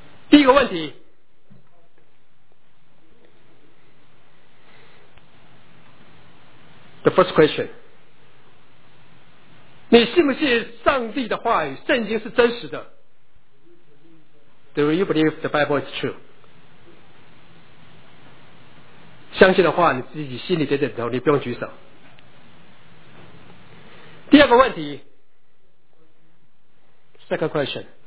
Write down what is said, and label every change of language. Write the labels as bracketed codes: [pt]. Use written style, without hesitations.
[zh] 第一个问题， [en] The first question， [zh] 你信不信上帝的话语，圣经是真实的？ [en] Do you believe the Bible is true？ [zh] 相信的话，你自己心里点点头，你不用举手。第二个问题 ， [en] Second question，